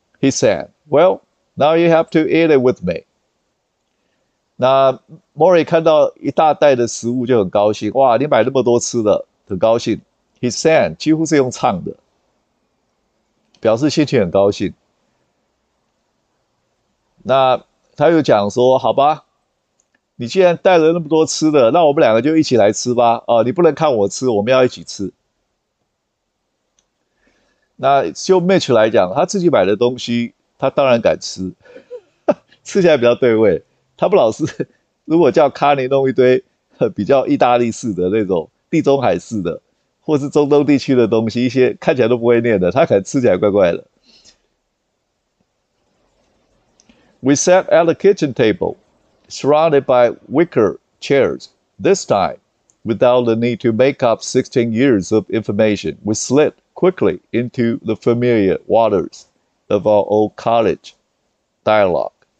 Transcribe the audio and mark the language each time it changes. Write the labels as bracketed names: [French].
[English] He said, "Well, now you have to eat it with me." [Chinese] 那 Maury 看到一大袋的食物就很高兴，哇，你买那么多吃的，很高兴。 [English] He sang [Chinese] 几乎是用唱的，表示心情很高兴。那他又讲说：“好吧，你既然带了那么多吃的，那我们两个就一起来吃吧。哦，你不能看我吃，我们要一起吃。”那就 Mitch 来讲，他自己买的东西，他当然敢吃，吃起来比较对味。他不老是，如果叫卡尼弄一堆比较意大利式的那种地中海式的，或是中东地区的东西，一些看起来都不会念的，他可能吃起来怪怪的。 [English] We sat at the kitchen table, surrounded by wicker chairs. This time, without the need to make up 16 years of information, we slid quickly into the familiar waters of our old college dialogue.